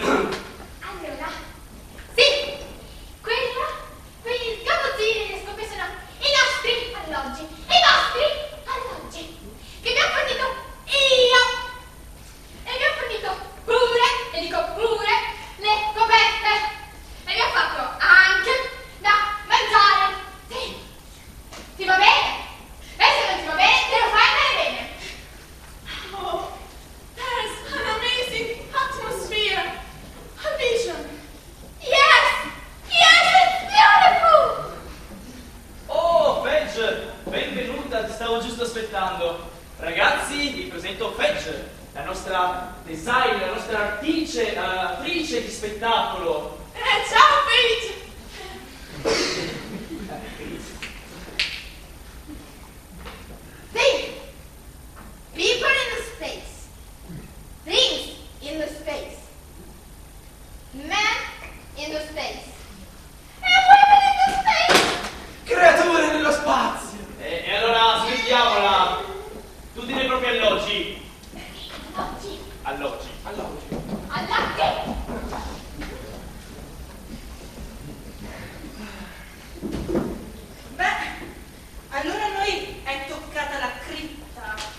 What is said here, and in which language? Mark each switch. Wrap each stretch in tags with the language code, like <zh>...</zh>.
<it>Allora, sì, quella, quegli sgabuzzini delle scope sono i nostri alloggi, i vostri alloggi, che vi ho fornito io, e vi ho fornito pure, e dico pure, le coperte, e vi ho fatto anche da mangiare. Sì, ti va bene? E se non ti va bene, te lo fai andare bene.</it> <en>Oh, there's an amazing atmosphere, a vision. Yes, it's beautiful.</en> <it>Oh, Fetch, benvenuta, ti stavo giusto aspettando. Ragazzi, vi presento Fetch, la nostra designer, la nostra artice, attrice di spettacolo. Ciao, Fetch.</it> <en>People in the space, things in the space, men in the space, e women in the space!</en> <it>Creature nello spazio! E allora, smettiamola! Tutti nei propri alloggi! Alloggi! Alloggi! Alloggi! Alloggi! Beh, allora noi è toccata la cripta.</it>